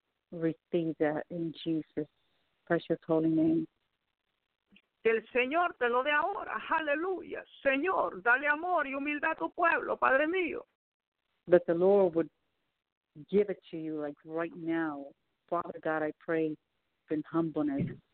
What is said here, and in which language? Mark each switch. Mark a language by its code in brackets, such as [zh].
[en] Receive that in Jesus' precious holy name. [es] Que el Señor te lo dé ahora. Aleluya. Señor, dale amor y humildad a tu pueblo, Padre mío. [en] That the Lord would give it to you like right now. Father God, I pray in humbleness.